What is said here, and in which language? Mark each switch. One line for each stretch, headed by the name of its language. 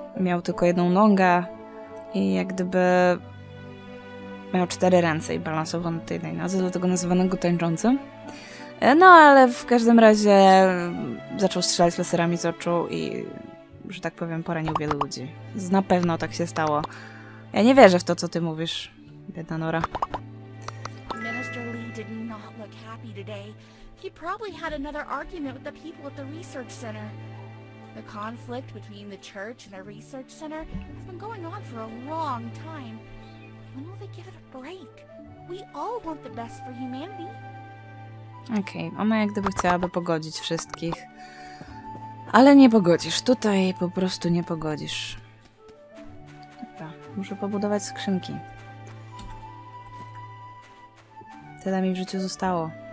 Polish: Miał tylko jedną nogę i jak gdyby miał cztery ręce i balansował na tej jednej nodze, dlatego nazywano go tańczącym. No, ale w każdym razie zaczął strzelać laserami z oczu i, że tak powiem, poranił wielu ludzi. Na pewno tak się stało. Ja nie wierzę w to, co ty mówisz. Biedna Nora.
English: Minister Lee did not look happy today. He probably had another argument with the people at the research center. The conflict between the church and the research center has been going on for a long time. When will they give it a break? We all want the best for humanity.
Polish: Okej, ona jak gdyby chciałaby pogodzić wszystkich. Ale nie pogodzisz. Tutaj po prostu nie pogodzisz. Dobra, muszę pobudować skrzynki. Tyle mi w życiu zostało.